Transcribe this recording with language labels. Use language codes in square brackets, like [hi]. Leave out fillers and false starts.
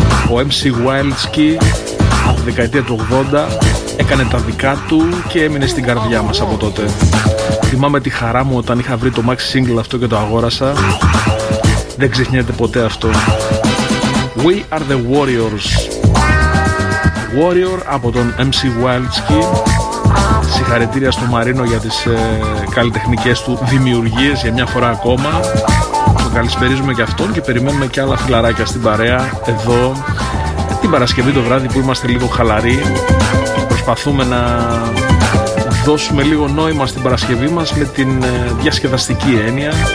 [el] Ο MC Wildski από τη δεκαετία του 80 έκανε τα δικά του και έμεινε στην καρδιά μας από τότε. Θυμάμαι τη χαρά μου όταν είχα βρει το maxi single αυτό και το αγόρασα. Δεν ξεχνιέται ποτέ αυτό. [en] We are the warriors. [el] Warrior από τον MC Wildski. Συγχαρητήρια στον Μαρίνο για τις καλλιτεχνικές του δημιουργίες για μια φορά ακόμα. Τον καλησπερίζουμε και αυτόν και περιμένουμε και άλλα φιλαράκια στην παρέα εδώ την Παρασκευή το βράδυ που είμαστε λίγο χαλαροί. Προσπαθούμε να δώσουμε λίγο νόημα στην Παρασκευή μας με την διασκεδαστική έννοια.